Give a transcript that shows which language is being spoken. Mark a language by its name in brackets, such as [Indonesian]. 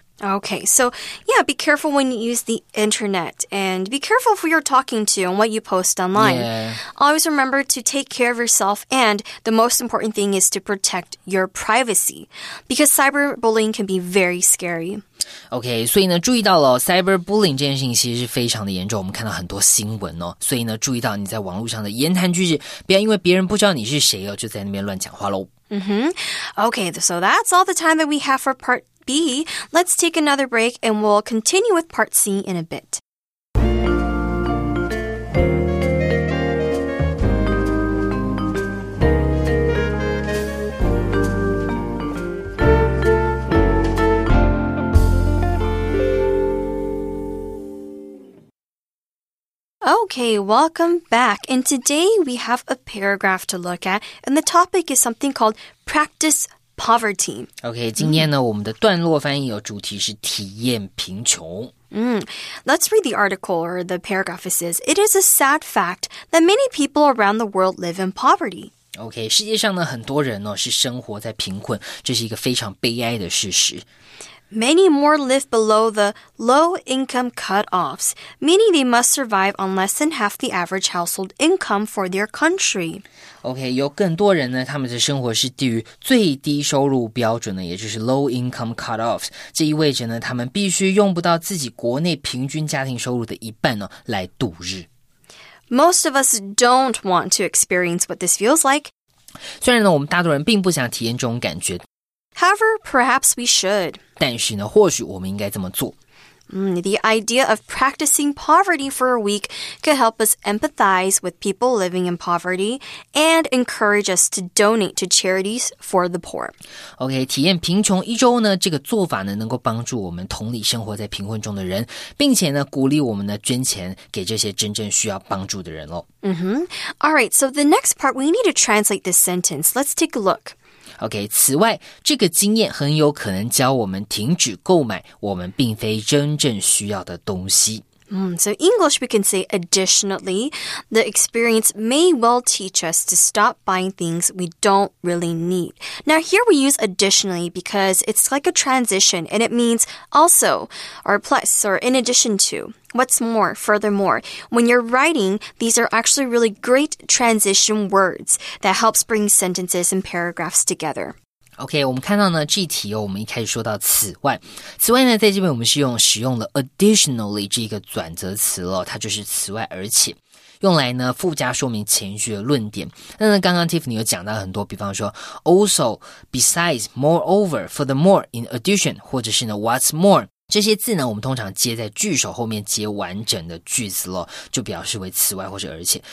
[English] Okay, so yeah, be careful when you use the internet and be careful who you're talking to and what you post online. Yeah. Always remember to take care of yourself and the most important thing is to protect your privacy because cyberbullying can be very scary. [Chinese] OK, 所以呢注意到了 cyberbullying 这件事情其实是非常的严重，我们看到很多新闻哦，所以呢注意到你在网络上的言谈举止，不要因为别人不知道你是谁哦，就在那边乱讲话咯。 Mm-hmm. [English] OK, so that's all the time that we have for part B. Let's take another break and we'll continue with part C in a bit. Okay, welcome back. And today we have a paragraph to look at, and the topic is something called practice poverty. [Chinese] Okay, 今天呢、我们的段落翻译有主题是体验贫穷。 [English] Let's read the article or the paragraph. It says, it is a sad fact that many people around the world live in poverty. [Chinese] OK, 世界上呢很多人呢是生活在贫困，这是一个非常悲哀的事实。 [English] Many more live below the low income cutoffs, meaning they must survive on less than half the average household income for their country. [Chinese] OK, 有更多人呢他们的生活是低于最低收入标准的，也就是 low income cutoffs. 这意味着呢他们必须用不到自己国内平均家庭收入的一半呢来度日。 [English] Most of us don't want to experience what this feels like. [Chinese] 虽然呢，我们大多人并不想体验这种感觉。 [English] However, perhaps we should. [Chinese] 但是呢，或许我们应该这么做。 [English] The idea of practicing poverty for a week could help us empathize with people living in poverty and encourage us to donate to charities for the poor. [Chinese] OK, 体验贫穷一周呢，这个做法呢，能够帮助我们同理生活在贫困中的人，并且呢，鼓励我们呢，捐钱给这些真正需要帮助的人咯。 [English] All right, so the next part, we need to translate this sentence. Let's take a look. [Chinese] OK, 此外这个经验很有可能教我们停止购买我们并非真正需要的东西。 [English] So English we can say additionally, the experience may well teach us to stop buying things we don't really need. Now here we use additionally because it's like a transition and it means also or plus or in addition to. What's more, furthermore, when you're writing, these are actually really great transition words that helps bring sentences and paragraphs together. [Chinese] OK, 我们看到呢这一题、我们一开始说到此外。此外呢在这边我们是用使用了 additionally 这个转折词了，它就是此外而且。用来呢附加说明前句的论点。那呢刚刚 Tiffany 有讲到很多，比方说 also, besides, moreover, furthermore, in addition, 或者是呢 what's more, 这些字呢我们通常接在句首后面接完整的句子了，就表示为此外或者而且。